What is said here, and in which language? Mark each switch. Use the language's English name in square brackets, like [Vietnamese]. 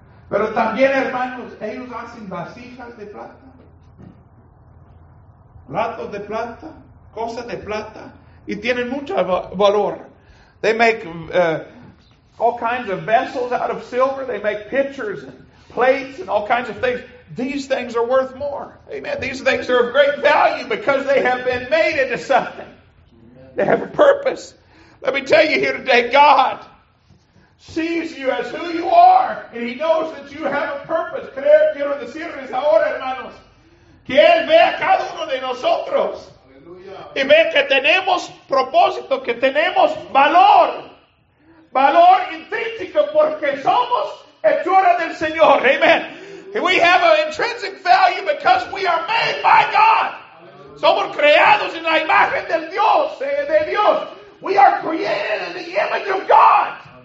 [Spanish] Pero también, hermanos, ellos hacen vasijas de plata. platos de plata, cosas de plata, y tienen mucho valor. [English] They make all kinds of vessels out of silver. They make pitchers and plates and all kinds of things. These things are worth more. Amen. These things are of great value because they have been made into something. They have a purpose. Let me tell you here today, God sees you as who you are, and He knows that you have a purpose. [Spanish] Creer, quiero decirles ahora, hermanos, que Él ve a cada uno de nosotros. Y ve que tenemos propósito, que tenemos valor. Valor intrínseco porque somos hechura del Señor. Amen. [English] We have an intrinsic value because we are made by God. [Spanish] Somos creados en la imagen del Dios, de Dios. [English] We are created in the image of God.